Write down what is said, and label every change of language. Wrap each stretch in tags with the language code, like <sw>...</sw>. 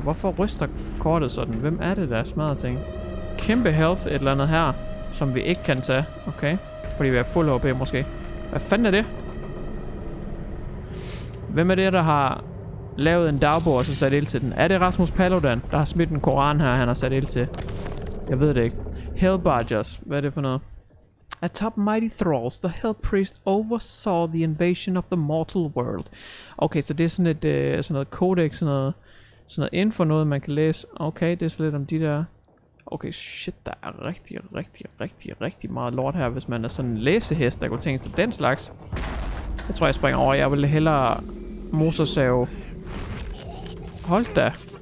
<da>Hvorfor ryster kortet sådan? Hvem er det, der smadrer ting? Kæmpe health et eller andet her, som vi ikke kan tage. Okay, fordi vi er fuld HP måske. Hvad fanden er det? Hvem er det, der har lavet en dagbog og så sat ild til den? Er det Rasmus Paludan, der har smidt en koran her, han har sat ild til? Jeg ved det ikke. Hellbarges, hvad er det for noget?</da> <en>Atop mighty thralls, the hell priest oversaw the invasion of the mortal world.</en> <da>Okay, så det er sådan et sådan noget codex, sådan noget info, noget man kan læse. Okay, det er sådan lidt om de der. Okay, shit, der er rigtig meget lort her, hvis man er sådan en læsehest, der kunne tænke sig den slags. Jeg tror, jeg springer over. Jeg vil hellere mosersave. Hold da.</da>